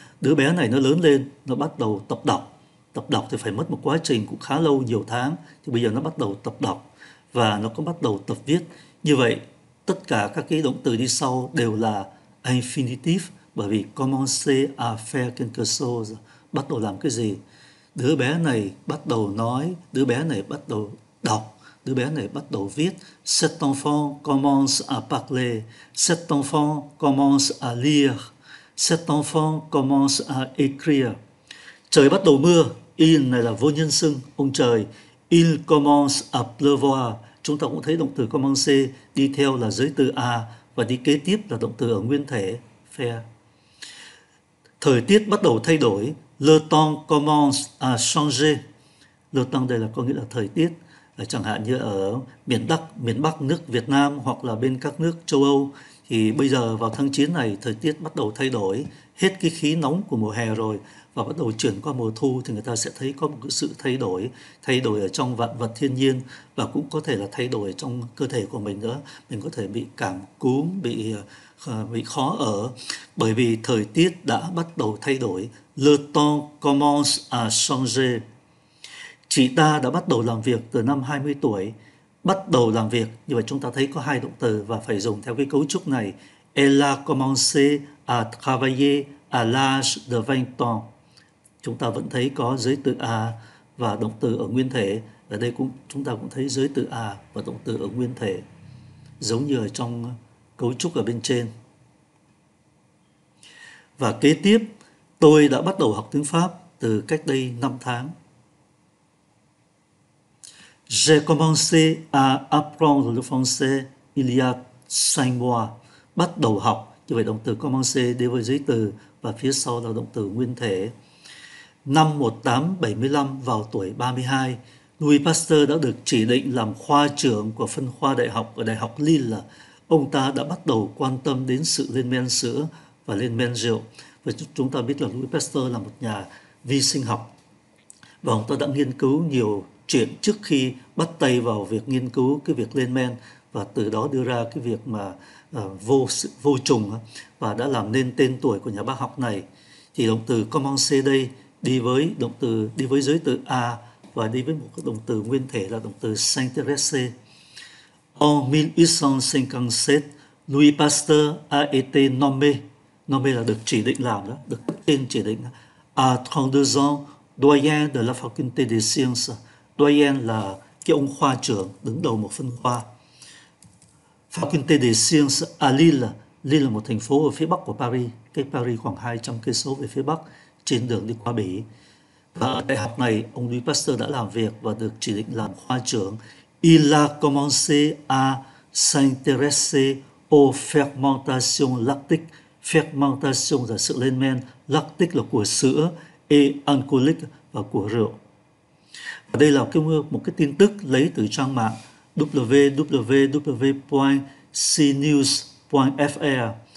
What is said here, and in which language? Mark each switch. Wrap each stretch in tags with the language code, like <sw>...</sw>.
<vi>Đứa bé này nó lớn lên, nó bắt đầu tập đọc. Tập đọc thì phải mất một quá trình cũng khá lâu, nhiều tháng, thì bây giờ nó bắt đầu tập đọc và nó có bắt đầu tập viết. Như vậy tất cả các cái động từ đi sau đều là infinitive, bởi vì</vi> <fr>commencer à faire quelque chose,</fr> <vi>bắt đầu làm cái gì. Đứa bé này bắt đầu nói, đứa bé này bắt đầu đọc, đứa bé này bắt đầu viết.</vi> <fr>Cet enfant commence à parler, cet enfant commence à lire, cet enfant commence à écrire.</fr> <vi>Trời bắt đầu mưa, il này là vô nhân xưng, ông trời.</vi> <fr>Il commence à pleuvoir,</fr> <vi>chúng ta cũng thấy động từ commencer đi theo là giới từ à và đi kế tiếp là động từ ở nguyên thể, faire. Thời tiết bắt đầu thay đổi,</vi> <fr>le temps commence à changer.</fr> <vi>Le temps đây là có nghĩa là thời tiết, chẳng hạn như ở miền Bắc nước Việt Nam hoặc là bên các nước châu Âu thì bây giờ vào tháng 9 này thời tiết bắt đầu thay đổi, hết cái khí nóng của mùa hè rồi và bắt đầu chuyển qua mùa thu, thì người ta sẽ thấy có một sự thay đổi ở trong vạn vật thiên nhiên và cũng có thể là thay đổi trong cơ thể của mình nữa. Mình có thể bị cảm cúm, bị khó ở bởi vì thời tiết đã bắt đầu thay đổi.</vi> <fr>Le temps commence à changer.</fr> <vi>Chị ta đã bắt đầu làm việc từ năm 20 tuổi. Bắt đầu làm việc, như vậy chúng ta thấy có hai động từ và phải dùng theo cái cấu trúc này.</vi> <fr>Elle a commencé à travailler à l'âge de 20 ans.</fr> <vi>Chúng ta vẫn thấy có giới từ à và động từ ở nguyên thể. Ở đây cũng chúng ta cũng thấy giới từ à và động từ ở nguyên thể, giống như ở trong cấu trúc ở bên trên. Và kế tiếp, tôi đã bắt đầu học tiếng Pháp từ cách đây 5 tháng.</vi> <fr>J'ai commencé à apprendre le français il y a 5 mois.</fr> <vi>Bắt đầu học, như vậy động từ commencé đi với giấy từ và phía sau là động từ nguyên thể. Năm 1875, vào tuổi 32, Louis Pasteur đã được chỉ định làm khoa trưởng của phân khoa đại học ở Đại học Lille. Ông ta đã bắt đầu quan tâm đến sự lên men sữa và lên men rượu. Và chúng ta biết là Louis Pasteur là một nhà vi sinh học và ông ta đã nghiên cứu nhiều chuyện trước khi bắt tay vào việc nghiên cứu cái việc lên men và từ đó đưa ra cái việc mà vô trùng và đã làm nên tên tuổi của nhà bác học này. Thì động từ commencer đây đi với giới từ a và đi với một cái động từ nguyên thể là động từ s'intéresser.</vi> <fr>En 1857, Louis Pasteur a été nommé</fr> <vi>là được chỉ định</vi> <fr>làm đó, được tên chỉ định à 32 ans doyen de la faculté des sciences.</fr> <vi>Doyen là cái ông khoa trưởng đứng đầu một phân khoa.</vi> <fr>Faculté des sciences à Lille.</fr> <vi>Lille là một thành phố ở phía bắc của Paris, cách Paris khoảng 200 cây số về phía bắc trên đường đi qua Bỉ. Và ở đại học này, ông Louis Pasteur đã làm việc và được chỉ định làm khoa trưởng.</vi> <fr>Il a commencé à s'intéresser aux fermentations lactiques.</fr> <vi>Fermentation là sự lên men, lactic là của sữa, et alcoolique là của rượu. Đây là một cái tin tức lấy từ trang mạng www.cnews.fr.</vi>